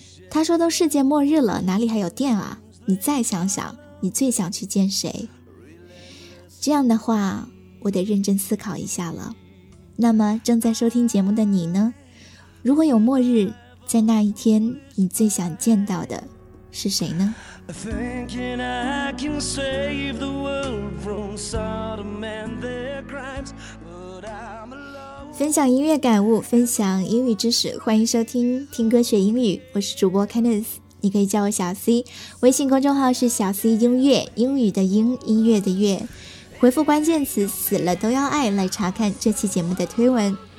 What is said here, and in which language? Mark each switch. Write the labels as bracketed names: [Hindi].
[Chinese] 他说都世界末日了，哪里还有电啊？你再想想，你最想去见谁？这样的话，我得认真思考一下了。那么正在收听节目的你呢，如果有末日，在那一天你最想见到的是谁呢？ [English] Thinking I can save the world from Sodom and their crimes, but I'm alone。 [Chinese] 分享音乐感悟，分享英语知识，欢迎收听听歌学英语，我是主播 Kenneth，你可以叫我小 C， 微信公众号是小 C 音乐，英语的英，音乐的乐。回复关键词死了都要爱来查看这期节目的推文。